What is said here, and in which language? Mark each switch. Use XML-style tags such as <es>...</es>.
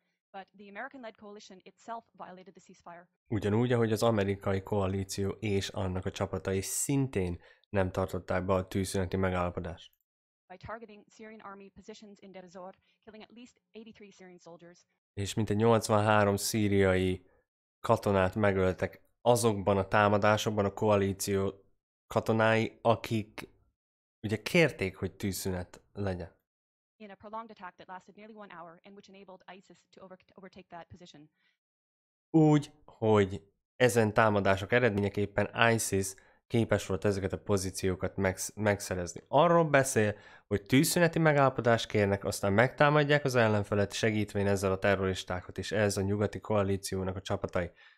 <en>But the American-led coalition itself violated the ceasefire.</en> <hu>Ugyanúgy, ahogy az amerikai koalíció és annak a csapatai szintén nem tartották be a tűzszüneti megállapodást.</hu> <en>By targeting Syrian army positions in Deir ez-Zor, killing at least 83 Syrian soldiers.</en> <hu>És mintegy 83 szíriai katonát megöltek azokban a támadásokban a koalíció katonái, akik ugye kérték, hogy tűzszünet legyen.</hu> <en>In a prolonged attack that lasted nearly one hour and which enabled ISIS to overtake that position.</en> <hu>Úgy, hogy ezen támadások eredményeképpen ISIS képes volt ezeket a pozíciókat megszerezni. Arról beszél, hogy tűzszüneti megállapodást kérnek, aztán megtámadják az ellenfelet, segítvén ezzel a terroristákat, és ez a nyugati koalíciónak a csapatai.</hu>